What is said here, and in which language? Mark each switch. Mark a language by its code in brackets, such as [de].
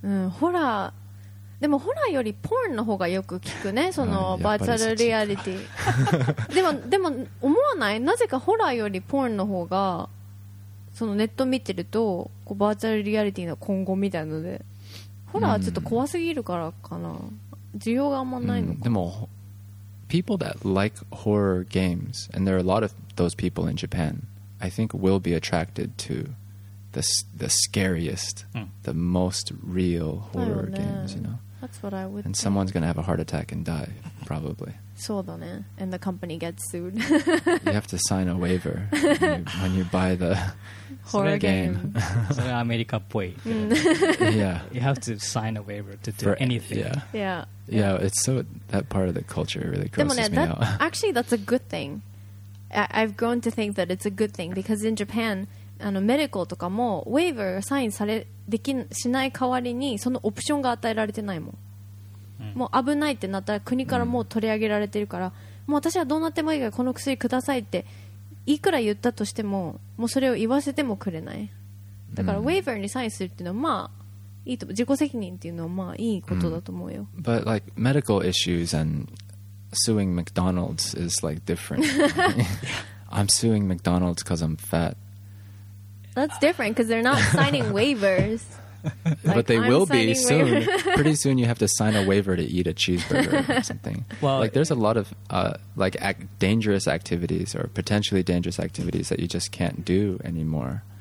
[ja] うん、ホラー、でもホラーよりポーンの方がよく聞くね、そのバーチャルリアリティ。でも思わない？なぜかホラーよりポーンの方がそのネット見てるとこうバーチャルリアリティの今後みたいので。ホラーはちょっと怖すぎるからかな、需要があんまないのか、 [en] でも people that like horror games, and there are a lot of those people in Japan, I think will be attracted to the scariest、うん、the most real horror、 [ja] ね、 [en] games, you know, that's what I would and someone's gonna have a heart attack and die probably [ja] そうだね、 [en] and the company gets sued you have to sign a waiver when you buy the Horror game. [ja] それはアメリカっぽい。 [en] Yeah. You have to sign a waiver to do anything. Yeah. Yeah. Yeah, it's so, that part of the culture really grosses me out. Actually, that's a good thing. I've grown to think that it's a good thing because in Japan, [ja] あの、medical とかも waiver サインされ、できん、しない代わりにそのオプションが与えられてないもん。もう危ないってなったら国からもう取り上げられてるから、もう私はどうなってもいいからこの薬くださいって、いくら言ったとしてももうそれを言わせてもくれない、だから、うん、ウェイバーにサインするっていうのはまあいいと、自己責任っていうのはまあいいことだと思うよ、うん、 [en] But like medical issues and suing McDonald's is like different I'm suing McDonald's because I'm fat That's different because they're not signing waivers like, But they、I'm、will be soon Pretty soon you have to sign a waiver to eat a cheeseburger or something well, Like there's a lot of like dangerous activities or potentially dangerous activities that you just can't do anymore